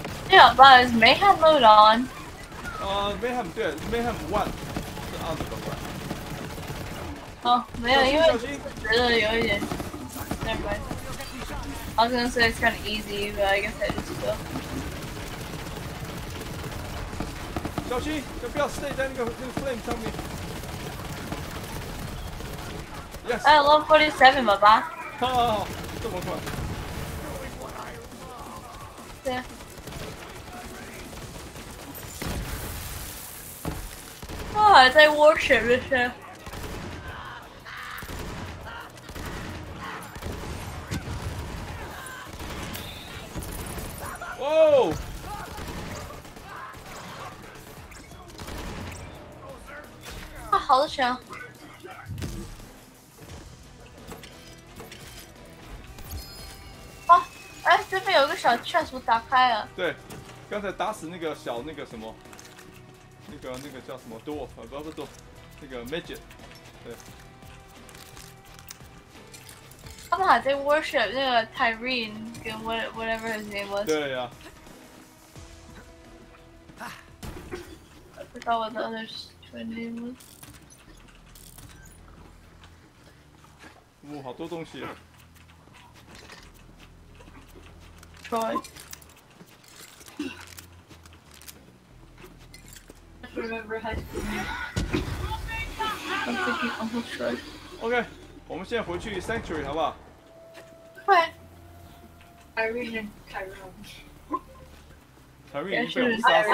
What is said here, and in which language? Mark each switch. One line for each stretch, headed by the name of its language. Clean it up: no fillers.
English: Yeah, but it's Mayhem mode on.
Chinese: Mayhem 对 ，Mayhem one 是 on 的。 Oh, 没有，因为觉得有一点。
English: Never mind. I was gonna say it's kind of easy, but I guess I just go.
Chinese: 小心，不要 stay 在那个 flame 上面。
English: Yes. I love 47, 爸爸。
Chinese: 哦，这么快。对。啊，还在 worship 这些。哦，好多钱！哦，哎，这边有一个小 chest， 打开了。对，刚才打死那个小那个什么，那个叫什么 dwarf， 不是 dwarf， 那个 midget， 对。他们还在 worship 那个 Tyrene 跟
English: whatever his name was。
Chinese: 对呀。
English: I forgot what the other's twin name was.
Chinese: Wow, 好多东西啊
English: Troy. I just remember high school name. I'm thinking Uncle Troy.
Chinese: Okay, 我们现在回去 Sanctuary 好不好
English: What? Irene and Tyrone.
Chinese: Tyrone 已经被我们杀死了